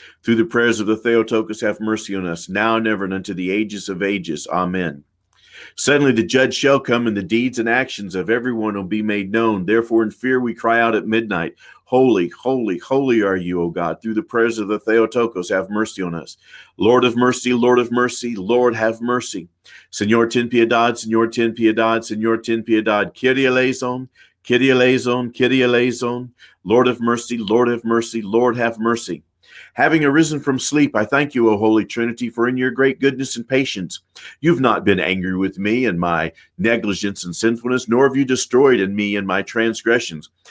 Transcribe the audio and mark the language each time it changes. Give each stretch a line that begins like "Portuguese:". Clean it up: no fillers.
English: Through the prayers of the Theotokos, have mercy on us, now and ever and unto the ages of ages. Amen. Suddenly the judge shall come, and the deeds and actions of everyone will be made known. Therefore, in fear, we cry out at midnight, holy, holy, holy are you, O God. Through the prayers of the Theotokos, have mercy on us. Lord of mercy, Lord of mercy, Lord, have mercy.
Spanish: Señor, ten piedad, Señor, ten piedad, Señor, ten piedad.
Greek: Kyrie eleison, Kyrie eleison, Kyrie eleison.
English: Lord of mercy, Lord of mercy, Lord, have mercy. Having arisen from sleep, I thank you, O Holy Trinity, for in your great goodness and patience, you've not been angry with me and my negligence and sinfulness, nor have you destroyed in me and my transgressions.